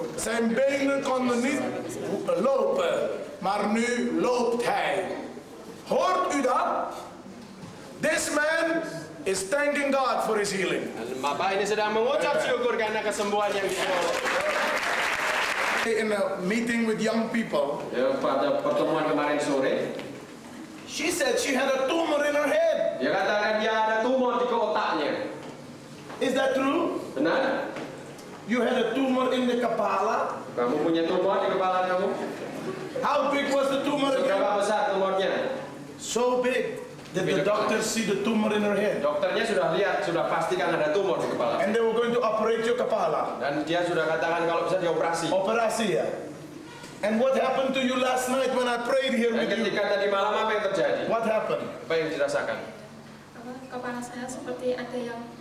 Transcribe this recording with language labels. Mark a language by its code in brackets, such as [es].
[nl] Zijn benen konden niet lopen, maar nu loopt hij. Hoort u dat? [en] This man is thanking God for his healing. [id] Bapak ini sedang mengucap syukur karena kesembuhan yang [en] dia. In a meeting with young people. [id] Pada pertemuan kemarin sore. [en] She said she had a tumor in her head. [id] Dia katakan dia ada tumor di otaknya. [en] Is that true? [id] Benar? [en] You had a tumor in the kepala? [id] Kamu punya tumor di kepala kamu? [en] How big was the tumor? [id] Seberapa besar tumornya? [en] So big that the doctor see the tumor in her head. [id] Dokternya sudah lihat, sudah pastikan ada tumor di kepala. [en] And they were going to operate your kepala. [id] Dan dia sudah katakan kalau bisa dioperasi. Operasi ya. [en] And what happened to you last night when I prayed here with you? [id] Dan ketika tadi malam apa yang terjadi? [en] What happened? [id] Apa yang dirasakan? Kepala saya seperti ada yang